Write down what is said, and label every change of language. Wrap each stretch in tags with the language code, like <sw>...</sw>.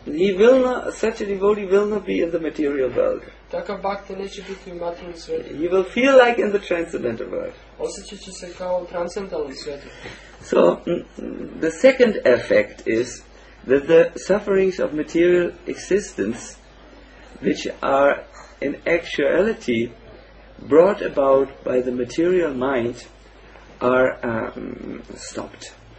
<en>He will not, such a devotee will not be in the material world.</en> <hr>Takav bakte neće biti u materijalnom svijetu.</hr> <en>He will feel like in the transcendental world.</en> <hr>Osjeća će se kao u transcendentalnom svijetu.</hr> <en>So, the second effect is that the sufferings of material existence, which are in actuality brought about by the material mind, are stopped.</en>